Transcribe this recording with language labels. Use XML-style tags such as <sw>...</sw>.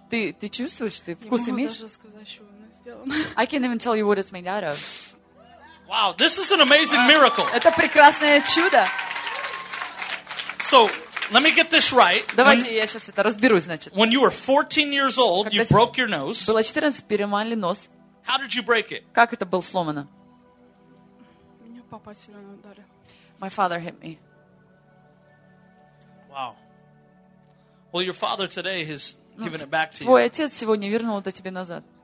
<ru>Ты чувствуешь, ты вкус имеешь? Я могу даже сказать, что оно сделано.</ru> <en>I can't even tell you what it's made out of. Wow, this is an amazing miracle.</en> <ru>Это прекрасное чудо.</ru> <en>So, let me get this right.</en> <ru>Давайте я сейчас это разберусь, значит.</ru> <en>When you were 14 years old, you broke your nose.</en> <ru>Было 14, переломали нос.</ru> <en>How did you break it?</en> <ru>Как это было сломано? Меня папа сильно ударил.</ru> <en>My father hit me. Wow. Well, your father today has given it back to you.</en> <ru>Твой отец сегодня вернул это тебе назад.</ru>